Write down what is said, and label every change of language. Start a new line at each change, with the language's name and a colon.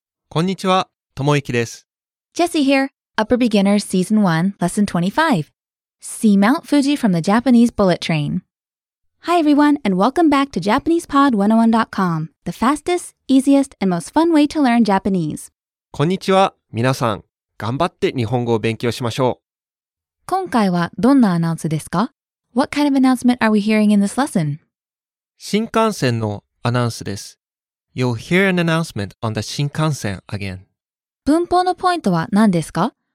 Japanese: こんにちは、ともいきです。
English: Jesse here, Upper Beginners Season 1, Lesson 25. See Mount Fuji from the Japanese Bullet Train. Hi everyone, and welcome back to JapanesePod101.com, the fastest, easiest, and most fun way to learn Japanese.
Japanese: こんにちは、皆さん。頑張って日本語を勉強しましょう。今回はどんなアナウンスですか?
English: What kind of announcement are we hearing in this lesson?
Japanese: 新幹線のアナウンスです。
English: You'll hear an announcement on the Shinkansen again.
Japanese: 文法のポイントは何ですか?